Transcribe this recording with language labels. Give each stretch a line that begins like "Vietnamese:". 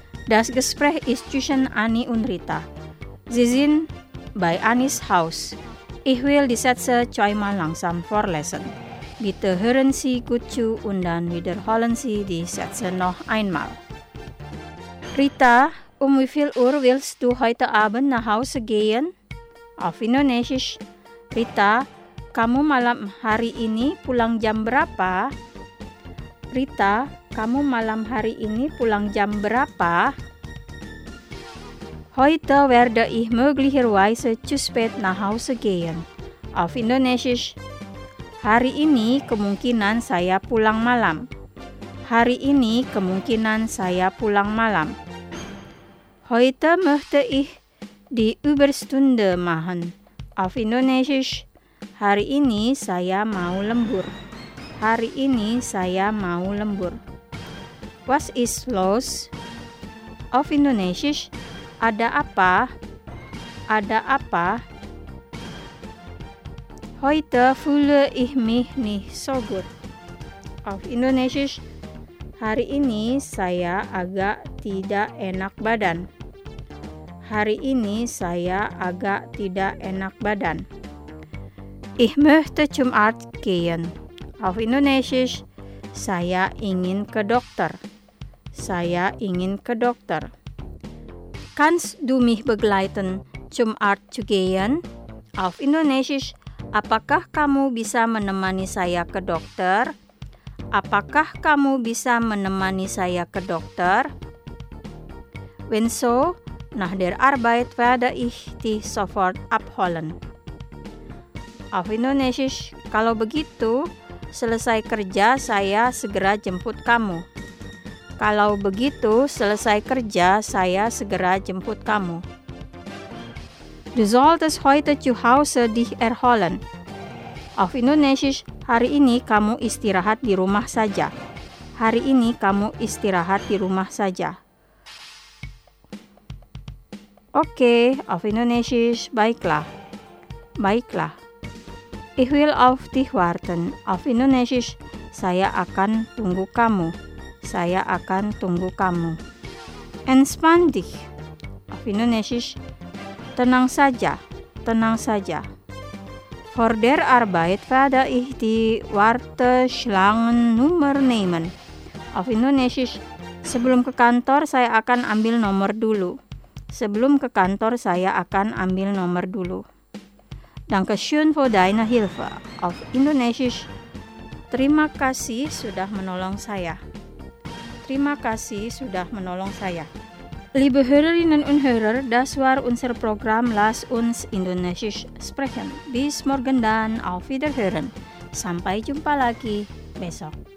German: Das Gespräch ist zwischen Ani und Rita. Sie sind bei Anis Haus. Ich will die Sätze zweimal langsam vorlesen. Bitte hören Sie gut zu und dann wiederholen Sie die Sätze noch einmal. Rita, wie viel Uhr willst du heute Abend nach Hause gehen? Auf Indonesisch.
Indonesian: Rita, kamu malam hari ini pulang jam berapa? Rita, kamu malam hari ini pulang jam berapa?
German: Heute werde ich möglicherweise zu spät nach Hause gehen. Auf Indonesisch.
Indonesian: Hari ini kemungkinan saya pulang malam. Hari ini kemungkinan saya pulang malam.
German: Heute möchte ich die Überstunde machen. Auf Indonesisch.
Indonesian: Hari ini saya mau lembur. Hari ini saya mau lembur.
German: Was ist los? Auf Indonesisch.
Indonesian: Ada apa? Ada apa?
German: Heute fühle ich mich nicht so gut. Auf Indonesisch.
Indonesian: Hari ini saya agak tidak enak badan. Hari ini saya agak tidak enak badan.
German: Ich möchte zum Arzt gehen. Auf Indonesisch.
Indonesian: Saya ingin ke dokter. Saya ingin ke dokter.
German: Kannst du mich begleiten zum Arzt zu gehen? Auf Indonesisch.
Indonesian: Apakah kamu bisa menemani saya ke dokter? Apakah kamu bisa menemani saya ke dokter?
German: Wenn so, nach der Arbeit werde ich dich sofort abholen. Auf Indonesisch.
Indonesian: Kalau begitu, selesai kerja saya segera jemput kamu. Kalau begitu, selesai kerja saya segera jemput kamu.
German: Du solltest heute zu Hause dich erholen. Auf Indonesisch.
Indonesian: Hari ini kamu istirahat di rumah saja. Hari ini kamu istirahat di rumah saja.
German: Oke, auf Indonesisch.
Indonesian: Baiklah. Baiklah.
German: Ich will auf dich warten. Auf Indonesisch.
Indonesian: Saya akan tunggu kamu. Saya akan tunggu kamu.
German: Entspann dich. Auf Indonesisch.
Indonesian: Tenang saja. Tenang saja.
German: Vor der Arbeit werde ich die Warteschlangennummer nehmen. Auf Indonesisch.
Indonesian: Sebelum ke kantor saya akan ambil nomor dulu. Sebelum ke kantor saya akan ambil nomor dulu.
German: Danke schön für deine Hilfe. Auf Indonesisch.
Indonesian: Terima kasih sudah menolong saya. Terima kasih sudah menolong saya.
German: Liebe Hörerinnen und Hörer, das war unser Programm Lass uns Indonesisch sprechen. Bis morgen dann, auf Wiederhören.
Indonesian: Sampai jumpa lagi besok.